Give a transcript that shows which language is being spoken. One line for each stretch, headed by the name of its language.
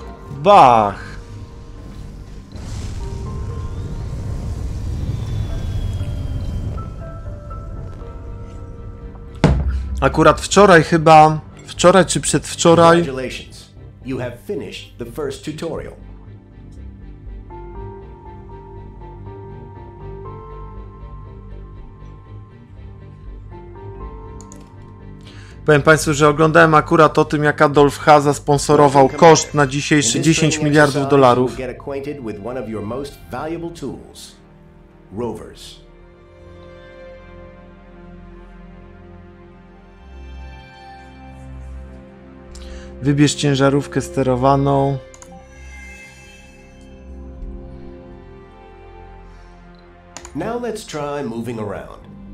Polish: Bach! Akurat wczoraj chyba... Wczoraj czy przedwczoraj...
English: You have finished the first tutorial.
Polish: Powiem Państwu, że oglądałem akurat o tym, jak Adolf Haza sponsorował koszt na dzisiejszy 10 miliardów dolarów.
English: Get acquainted with one of your most valuable tools, rovers.
Polish: Wybierz ciężarówkę sterowaną.
English: Now let's try moving around.